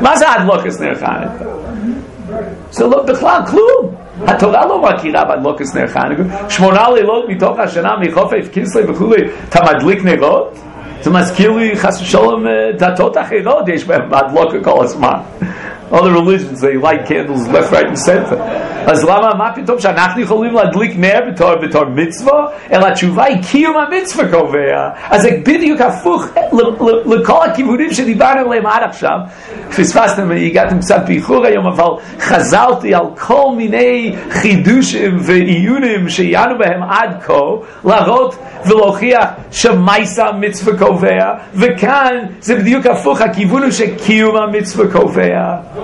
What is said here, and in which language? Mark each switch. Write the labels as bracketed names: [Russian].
[Hebrew] מה זה הדלקת נר חנוכה? זה לא בכלל כלום. התורה לא מכירה בהדלקת נר חנוכה. שמונה לילות מתוך השנה מחופף כסלו וכולי, אתה מדליק נרות? זה מזכיר לי חס ושלום דתות אחרות, יש בהם הדלקה כל הזמן. [English] Other religions, they light candles left, right, and center. [Hebrew] אז למה, מה פתאום שאנחנו יכולים להדליק נר בתור מצווה? אלא התשובה היא קיום המצווה קובע. אז זה בדיוק הפוך לכל הכיוונים שדיברנו עליהם עד עכשיו. פספסתם, הגעתם קצת באיחור היום, אבל חזרתי על כל מיני חידושים ועיונים שהיינו בהם עד כה, להראות ולהוכיח שמייסה המצווה קובע, וכאן זה בדיוק הפוך, הכיוון הוא שקיום המצווה קובע.